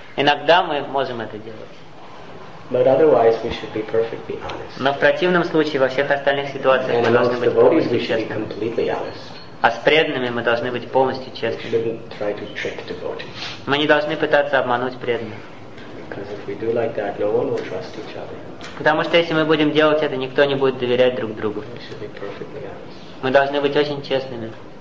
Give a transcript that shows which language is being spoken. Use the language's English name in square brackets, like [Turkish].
[Russian] Иногда мы можем это делать. [English] But otherwise we should be perfectly honest. [Russian] Но в противном случае, во всех остальных ситуациях, [English] and [Russian] мы должны быть полностью честными. [English] We should be completely honest. [Russian] А с преданными мы должны быть полностью честными. [English] We shouldn't try to trick devotees. [Russian] Мы не должны пытаться обмануть преданных. [English] Because if we do like that, no one will trust each other. [Russian] Потому что если мы будем делать это, никто не будет доверять друг другу. [English] We should be perfectly honest. [Russian] Мы должны быть очень честными.